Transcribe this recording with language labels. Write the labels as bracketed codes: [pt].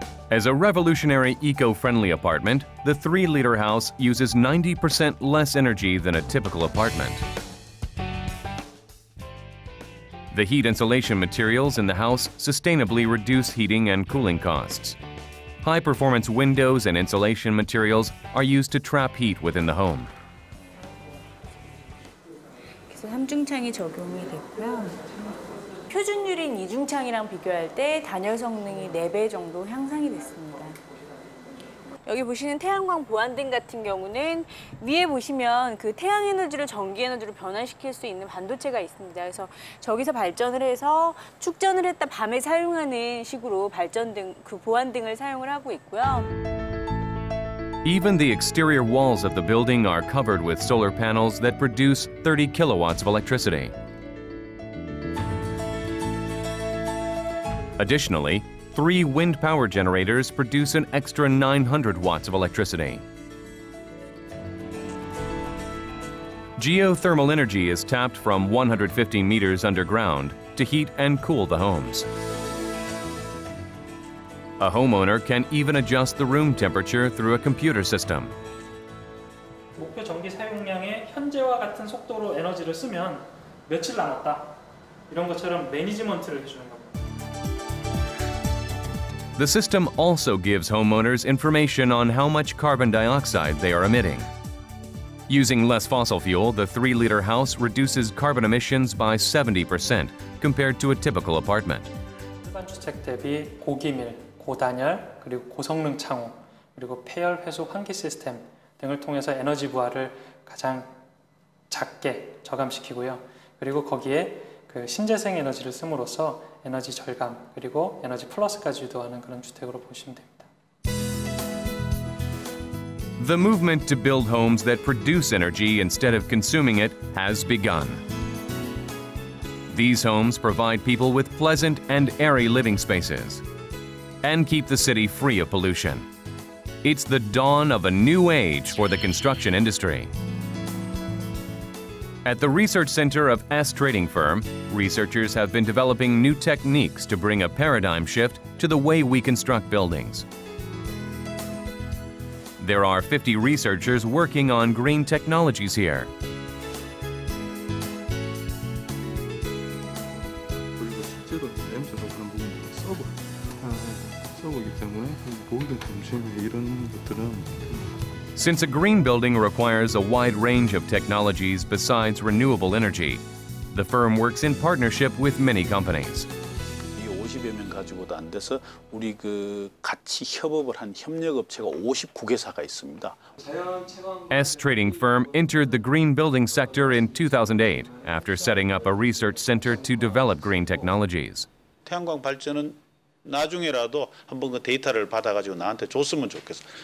[en] As a revolutionary eco-friendly apartment, the 3-liter house uses 90% less energy than a typical apartment. The heat insulation materials in the house sustainably reduce heating and cooling costs. High-performance windows and insulation materials are used to trap heat within the home. [ko] 그래서 함중창이 적용이 됐고요. 표준율인 이중창이랑 비교할 때 단열 성능이 4배 정도 향상이 됐습니다. 여기 보시는 태양광 보안등 같은 경우는 위에 보시면 그 태양 에너지를 전기 에너지로 변환시킬 수 있는 반도체가 있습니다. 그래서 저기서 발전을 해서 축전을 했다 밤에 사용하는 식으로 발전등 그 보안등을 사용을 하고 있고요. [en] Even the exterior walls of the building are covered with solar panels that produce 30 kilowatts of electricity. Additionally, three wind power generators produce an extra 900 watts of electricity. Geothermal energy is tapped from 150 meters underground to heat and cool the homes. A homeowner can even adjust the room temperature through a computer system. [ko] 목표 전기 사용량의 현재와 같은 속도로 에너지를 쓰면 며칠 남았다. 이런 것처럼 매니지먼트를 해 주는 겁니다. [en] The system also gives homeowners information on how much carbon dioxide they are emitting. Using less fossil fuel, the 3-liter house reduces carbon emissions by 70% compared to a typical apartment. [ko] 일반 주택 대비 고기밀, 고단열, 그리고 고성능 창호, 그리고 폐열 회수 환기 시스템 등을 통해서 에너지 부하를 가장 작게 저감시키고요. 그리고 거기에 그 신재생 에너지를 씀으로써 에너지 절감 그리고 에너지 플러스까지 유도하는 그런 주택으로 보시면 됩니다. [en] The movement to build homes that produce energy instead of consuming it has begun. These homes provide people with pleasant and airy living spaces and keep the city free of pollution. It's the dawn of a new age for the construction industry. At the research center of S Trading Firm, researchers have been developing new techniques to bring a paradigm shift to the way we construct buildings. There are 50 researchers working on green technologies here. 'Since a green building requires a wide range of technologies besides renewable energy, the firm works in partnership with many companies. [ko] 50여 명 가지고도 안 돼서 우리 그 같이 협업을 한 협력 업체가 59개사가 있습니다. [en] S Trading Firm entered the green building sector in 2008 after setting up a research center to develop green technologies. [ko] 태양광 발전은 나중에라도 한번 그 데이터를 받아가지고 나한테 줬으면 좋겠어.